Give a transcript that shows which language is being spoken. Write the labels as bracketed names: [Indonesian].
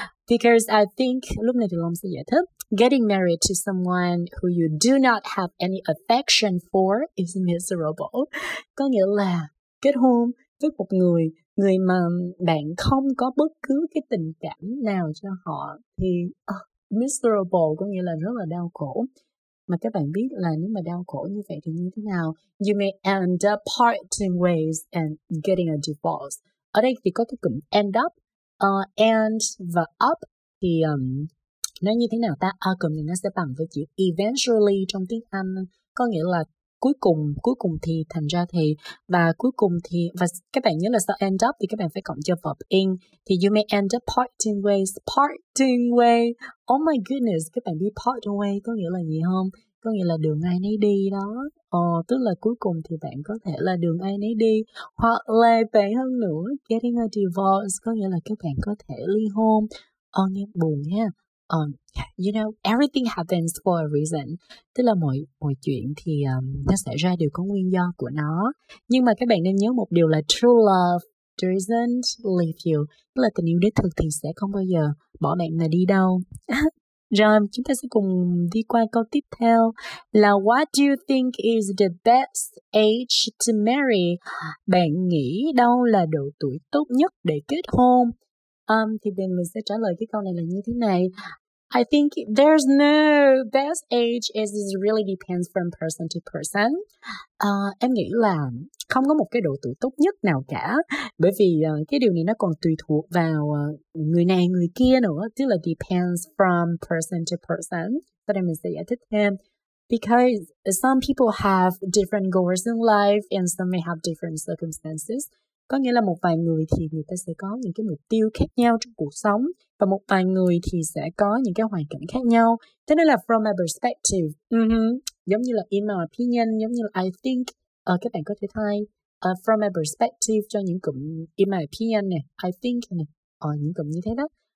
[English] Because I think, [Vietnamese] lúc này thì Long sẽ giải thích, [English] getting married to someone who you do not have any affection for is miserable. [Vietnamese] Có nghĩa là kết hôn với một người, người mà bạn không có bất cứ cái tình cảm nào cho họ thì miserable có nghĩa là rất là đau khổ. Mà các bạn biết là nếu mà đau khổ như vậy thì như thế nào? You may end up parting ways and getting a divorce. Ở đây thì có cái cụm end up, end và up thì nó như thế nào ta? Cụm này nó sẽ bằng với chữ eventually trong tiếng Anh, có nghĩa là cuối cùng thì, thành ra thì, và cuối cùng thì, và các bạn nhớ là sau end up thì các bạn phải cộng cho verb in, thì [English] you may end up parting ways, parting way, oh my goodness, [Vietnamese] các bạn đi parting way có nghĩa là gì không? Có nghĩa là đường ai nấy đi đó, tức là cuối cùng thì bạn có thể là đường ai nấy đi, hoặc là tệ hơn nữa, [English] getting a divorce, [Vietnamese] có nghĩa là các bạn có thể ly hôn, nghe buồn ha. [English] You know, everything happens for a reason. [Vietnamese] Tức là mọi chuyện thì nó xảy ra đều có nguyên do của nó. Nhưng mà các bạn nên nhớ một điều là [English] true love doesn't leave you. [Vietnamese] Tức là tình yêu đích thực thì sẽ không bao giờ bỏ bạn mà đi đâu. Rồi, chúng ta sẽ cùng đi qua câu tiếp theo. [English] Là what do you think is the best age to marry? [Vietnamese] Bạn nghĩ đâu là độ tuổi tốt nhất để kết hôn? Thì mình sẽ trả lời cái câu này là như thế này. [English] I think there's no best age as it really depends from person to person. [Vietnamese] Em nghĩ là không có một cái độ tuổi tốt nhất nào cả, bởi vì cái điều này nó còn tùy thuộc vào người này người kia nữa, tức là [English] depends from person to person. [Vietnamese] But em sẽ giải thích thêm. [English] Because some people have different goals in life and some may have different circumstances. [Vietnamese] Có nghĩa là một vài người thì người ta sẽ có những cái mục tiêu khác nhau trong cuộc sống và một vài người thì sẽ có những cái hoàn cảnh khác nhau. Thế nên là [English] from my perspective, [Vietnamese] giống như là [English] in my opinion, [Vietnamese] giống như là [English] I think, [Vietnamese] các bạn có thể thay from my perspective cho những cụm in my opinion này, I think này, những cụm như thế đó.